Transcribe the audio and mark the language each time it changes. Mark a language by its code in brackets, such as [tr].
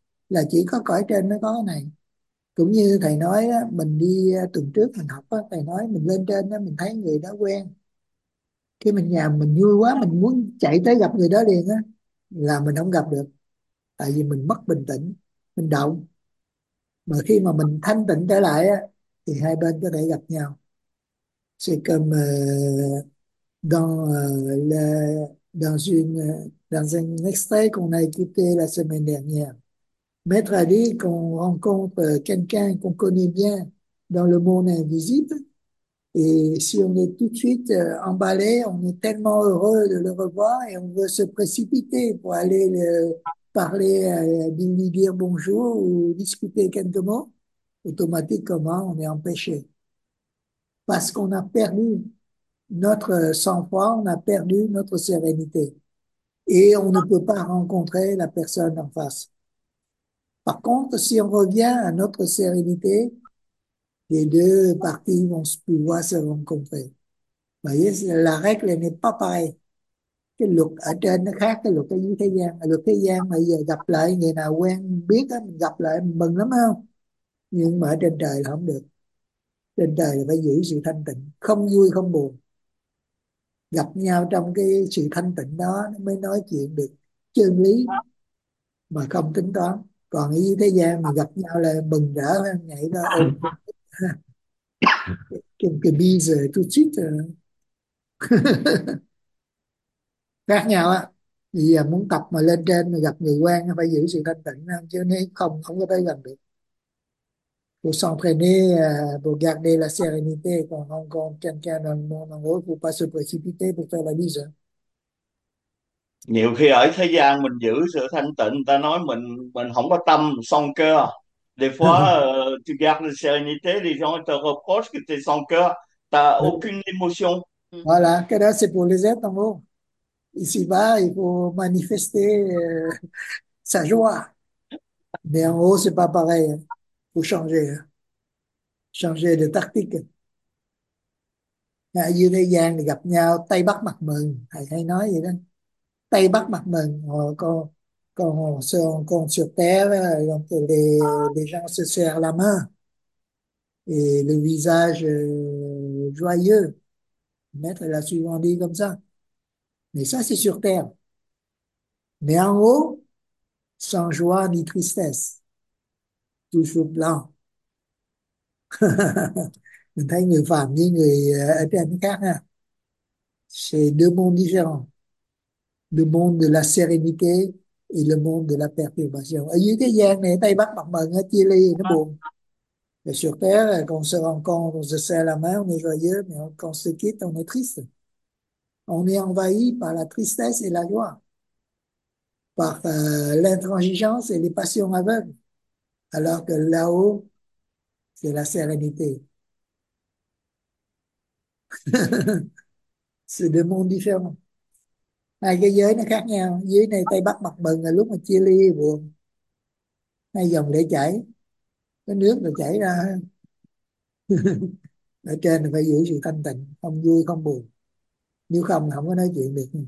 [vi] Là chỉ có cõi trên mới có cái này. Cũng như thầy nói đó, mình đi tuần trước mình học đó, thầy nói mình lên trên đó mình thấy người đó quen, khi mình nhà mình vui quá mình muốn chạy tới gặp người đó liền á là mình không gặp được, tại vì mình mất bình tĩnh, mình động. Mà khi mà mình thanh tịnh trở lại á thì hai bên có thể gặp nhau. [fr] C'est comme dans un extrait qu'on a écouté la semaine dernière. Maître a dit qu'on rencontre quelqu'un qu'on connaît bien dans le monde invisible, et si on est tout de suite emballé, on est tellement heureux de le revoir et on veut se précipiter pour aller le parler, lui dire bonjour ou discuter quelques mots, automatiquement on est empêché. Parce qu'on a perdu notre sang-froid, on a perdu notre sérénité. Et on ne peut pas rencontrer la personne en face. Par contre, si on revient à notre sérénité, les deux parties vont pouvoir se rencontrer. Vous voyez, la règle n'est pas pareille. [vi] Cái luật ở trên nó khác cái luật ở dưới thế gian. Luật thế gian bây giờ gặp lại người nào quen biết đó, gặp lại mừng lắm không? Nhưng mà ở trên trời là không được. Trên trời là phải giữ sự thanh tịnh, không vui không buồn. Gặp nhau trong cái sự thanh tịnh đó mới nói chuyện được chân lý mà không tính toán. Còn ở dưới thế gian mà gặp nhau là mừng rỡ nhảy ra ôm cái bi giờ tôi chết rồi. Khác nhau á, bây giờ muốn tập mà lên trên mà gặp người quen phải giữ sự thanh tịnh chứ nếu không không có tới gần được. [fr] Pour s'entraîner, pour garder la sérénité, quand on rencontre quelqu'un dans le monde en gros, il ne faut pas se précipiter pour faire la mise. [vi] Nhiều khi ở thế gian mình giữ sự thanh tịnh, người ta nói mình không có tâm, son cơ. [fr] Des fois, tu gardes la sérénité, les gens te reprochent que tu es sans cœur, tu n'as Voilà, que là c'est pour les êtres en gros. Ici-bas, il faut manifester sa joie. Mais en haut, ce n'est pas pareil. Hein. Changer, changer de tactique. [vi] Ở dưới thế gian thì gặp nhau tay bắt mặt mừng, thầy hay nói vậy đó, tay bắt mặt mừng. Còn [fr] sur terre, donc les gens se serrent la main et le visage joyeux. Maître l'a souvent dit comme ça, mais ça c'est sur terre. Mais en haut, sans joie ni tristesse, toujours blanc. [vi] Mình thấy người phàm với người ở trên khác ha. [fr] C'est deux mondes différents. Le monde de la sérénité et le monde de la perturbation. [vi] Ở dưới thế gian này, tay bắt mặt mừng, chia ly, nó buồn. [fr] Mais sur terre, quand on se rencontre, on se serre la main, on est joyeux, mais quand on se quitte, on est triste. On est envahi par la tristesse et la joie, par l'intransigeance et les passions aveugles. Alors que là-haut, c'est la sérénité. C'est deux mondes différents. [vi] Hai cái giới nó khác nhau. Giới này tay bắt mặt mừng là lúc mà chia ly buồn. Hai dòng để chảy. Cái nước nó chảy ra. Ở trên là phải giữ sự thanh tịnh. Không vui, không buồn. Nếu không, không có nói chuyện được.